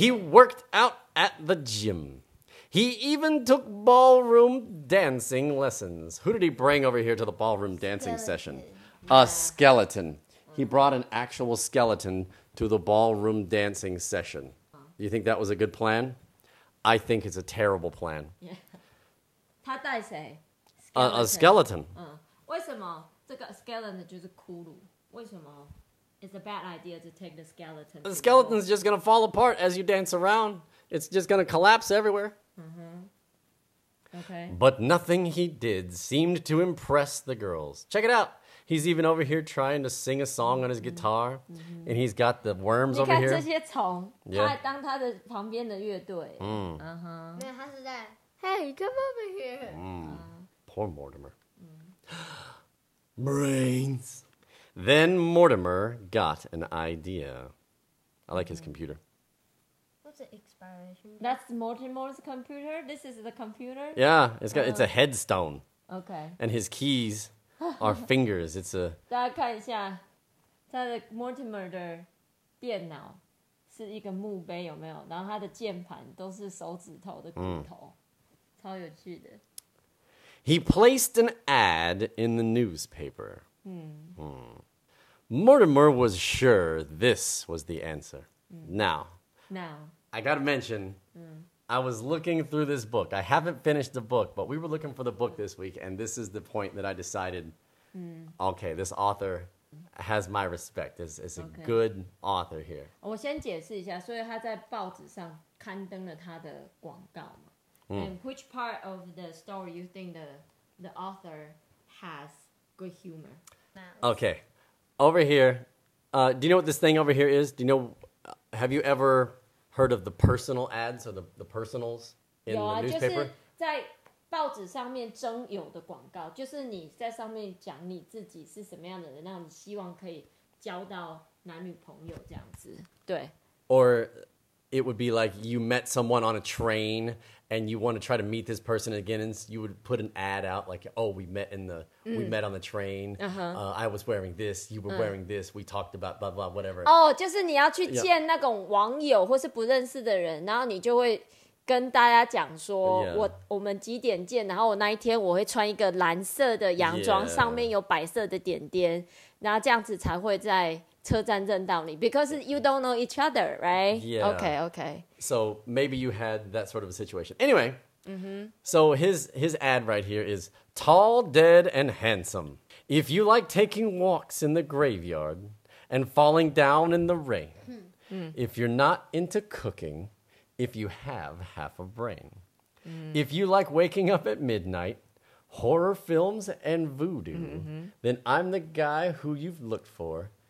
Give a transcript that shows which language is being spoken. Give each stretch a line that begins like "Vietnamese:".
English: He worked out at the gym. He even took ballroom dancing lessons. Who did he bring over here to the ballroom dancing session? A skeleton. He brought an actual skeleton to the ballroom dancing session. Do you think that was a good plan? I think it's a terrible plan. Yeah.
Chinese: 他带谁？
English: A skeleton.
Chinese: 为什么这个 skeleton 就是骷髅？为什么
English: it's a bad idea to take the skeleton? The skeleton's just gonna fall apart as you dance around. It's just gonna collapse everywhere. Okay. But nothing he did seemed to impress the girls. Check it out. He's even over here trying to sing a song on his guitar, and he's got the worms over here.
Chinese: 你看这些虫，他当他的旁边的乐队。没有，他是在
English: Hey, come over here. Poor Mortimer. Brains. Then Mortimer got an idea. I like his computer. What's the expiration? That's Mortimer's computer? This is the computer? Yeah, it's a headstone. Okay. And his keys are fingers. It's a...
Chinese: 大家看一下他的 Mortimer 的电脑是一个墓碑有没有然后他的键盘都是手指头的骨头超有趣的。
English: He placed an ad in the newspaper. Mortimer was sure this was the answer. Now, I gotta mention, I was looking through this book. I haven't finished the book, but we were looking for the book this week, and this is the point that I decided, okay, this author has my respect. It's a good author here.
Chinese: 我先解释一下，所以他在报纸上刊登了他的广告。
English: And which part of the story you think the author has good humor? Okay, over here, do you know what this thing over here is? Do you know, have you ever heard of the personal ads or the personals in the newspaper?
Chinese: 就是在报纸上面征友的广告，就是你在上面讲你自己是什么样的人，那你希望可以交到男女朋友这样子，对。
English: Or it would be like you met someone on a train,And you want to try to meet this person again, and you would put an ad out like, oh, we met on the train. Uh-huh. I was wearing this, you were wearing this, we talked about blah, blah, whatever.
Chinese: Oh, 就是你要去见那种网友或是不认识的人，然后你就会跟大家讲说我们几点见，然后我那一天我会穿一个蓝色的洋装，上面有白色的点点，然后这样子才会在车站认到你
English: because you don't know each other, right? Yeah. Okay. So maybe you had that sort of a situation. Anyway, so his ad right here is tall, dead, and handsome. If you like taking walks in the graveyard and falling down in the rain, if you're not into cooking, if you have half a brain, if you like waking up at midnight, horror films, and voodoo, then I'm the guy who you've looked for.